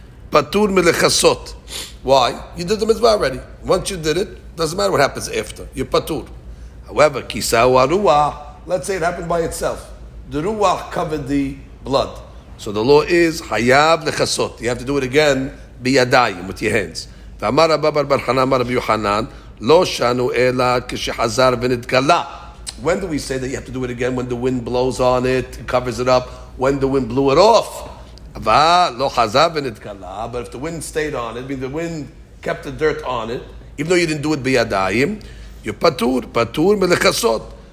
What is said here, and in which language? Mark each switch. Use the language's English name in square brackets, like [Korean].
[Hebrew] פטור מלחסות. [English] Why? You did the mitzvah already. Once you did it, doesn't matter what happens after. You're פטור. However, [Hebrew] כיסהו הרוח, [English] let's say it happened by itself. The ruach covered the blood. So the law is, [Hebrew] חייב לחסות. [English] You have to do it again, בידיים, with your hands. [Hebrew] ואמר רבא בר בר חנן, אמר רבי יוחנן, לא שנו אלא כשחזר ונתגלה. [English] When do we say that you have to do it again? When the wind blows on it, it covers it up. When the wind blew it off. [Hebrew] אבל לא חזר ונתגלה. [English] But if the wind stayed on it, I mean the wind kept the dirt on it, even though you didn't do it בידיים, you're [Hebrew] פטור מלכסות.